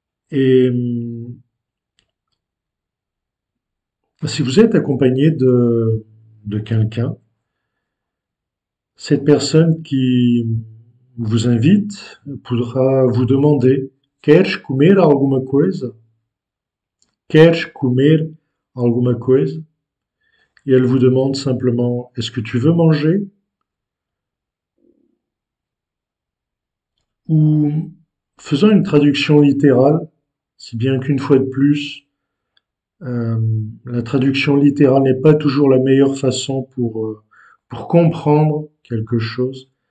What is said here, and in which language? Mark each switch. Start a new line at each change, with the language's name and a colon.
French: Et si vous êtes accompagné de quelqu'un, cette personne qui vous invite pourra vous demander
Portuguese: Queres comer alguma coisa? Queres comer alguma coisa?
French: Et elle vous demande simplement Est-ce que tu veux manger? Ou faisant une traduction littérale, si bien qu'une fois de plus, la traduction littérale n'est pas toujours la meilleure façon pour comprendre quelque chose.